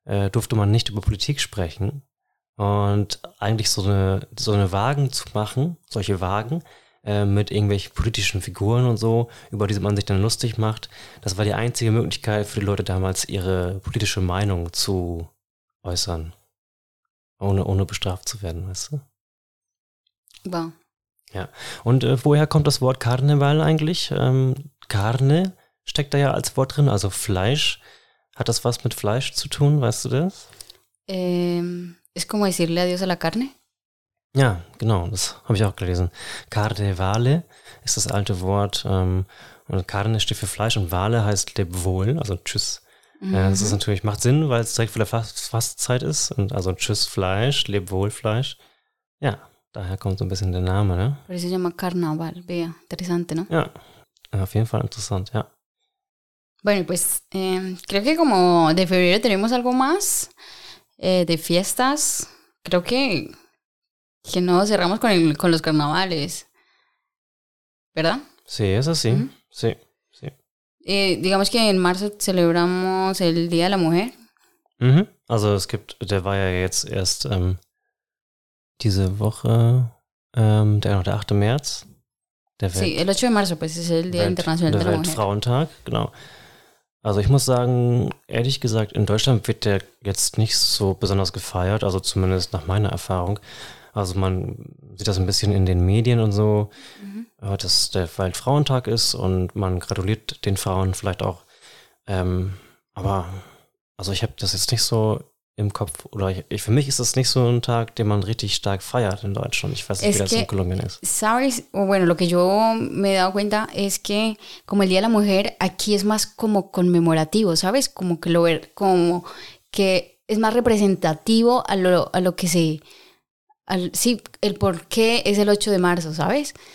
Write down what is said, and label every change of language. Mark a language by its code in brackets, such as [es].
[de] durfte man nicht über Politik sprechen, und eigentlich so eine Wagen zu machen, solche Wagen mit irgendwelchen politischen Figuren und so, über die man sich dann lustig macht, das war die einzige Möglichkeit für die Leute damals, ihre politische Meinung zu äußern, ohne bestraft zu werden, weißt du? Wow. Ja, und woher kommt das Wort Karneval eigentlich? Carne steckt da ja als Wort drin, also Fleisch. Hat das was mit Fleisch zu tun, weißt du das? [es] Es como decirle adiós a la carne. [de] Ja, genau, das habe ich auch gelesen. Carnevale ist das alte Wort, Und Cardenas steht für Fleisch und Vale heißt Leb wohl, also tschüss. Mhm. Das ist natürlich, macht Sinn, weil es direkt vor der Fastzeit ist. Und also tschüss Fleisch, Leb wohl Fleisch. Ja, daher kommt so ein bisschen der Name, ne? [es] Por eso se llama Carnaval, vea, interesante, ¿no? [de] Ja, auf jeden Fall interessant, ja. [es] Bueno, pues creo que como de febrero tenemos algo más de fiestas. Creo que no cerramos con los carnavales, ¿verdad? Sí, es así, uh-huh. Sí, sí. Digamos que en marzo celebramos el Día de la Mujer. Uh-huh. [de] Also es gibt, der war ja jetzt erst diese Woche, der 8. März. Der [es] sí, el 8 de marzo, pues es el Día Internacional de la Mujer. [de] Weltfrauentag, genau. Also ich muss sagen, ehrlich gesagt, in Deutschland wird der jetzt nicht so besonders gefeiert, also zumindest nach meiner Erfahrung. Also man sieht das ein bisschen in den Medien und so, mhm. dass der Weltfrauentag ist und man gratuliert den Frauen vielleicht auch. Aber also ich habe das jetzt nicht so im Kopf, oder ich, für mich ist das nicht so ein Tag, den man richtig stark feiert in Deutschland. Ich weiß nicht, wie das in Kolumbien ist. [es] Sabes, bueno, lo que yo me he dado cuenta es que como el Día de la Mujer, aquí es más como conmemorativo, ¿sabes? Como que lo ver, como que es más representativo a lo que se... Al, sí, el por qué es el 8 de marzo, ¿sabes?